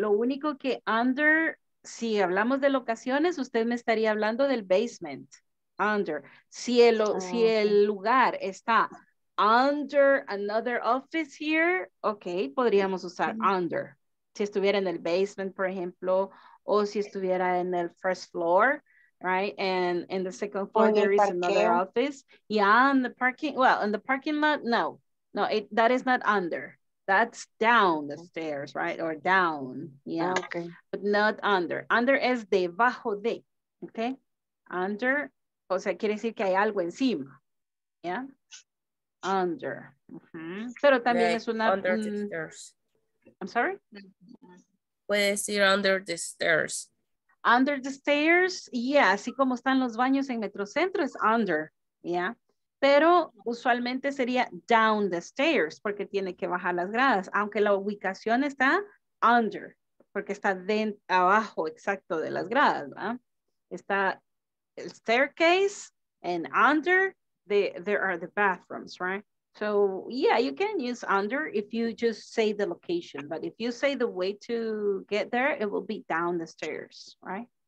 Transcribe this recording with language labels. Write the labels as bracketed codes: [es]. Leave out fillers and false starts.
[es] Lo único que under, si hablamos de locaciones, usted me estaría hablando del basement. Under, si el lugar está [en] under another office here, [es] okay, podríamos usar under. Si estuviera en el basement, por ejemplo, o si estuviera en el first floor, right? [en] And in the second floor, there is another office. Yeah, in the parking, well, in the parking lot, no. No, it, that is not under. That's down the stairs, right? Or down, yeah. Okay. But not under. Under [es] es debajo de, [en] okay? Under. [es] O sea, quiere decir que hay algo encima. Yeah. Under. Uh-huh. Pero también right. Es una... [en] Under the stairs. I'm sorry? [es] Puede decir [en] under the stairs. Under the stairs. [es] Yeah, así como están los baños en Metrocentro, es under. Yeah. Pero usualmente sería down the stairs, porque tiene que bajar las gradas. Aunque la ubicación está under, porque está abajo exacto de las gradas, ¿verdad? Está... [en] El staircase and under the there are the bathrooms, right? So yeah, you can use under if you just say the location, but if you say the way to get there, it will be down the stairs, right?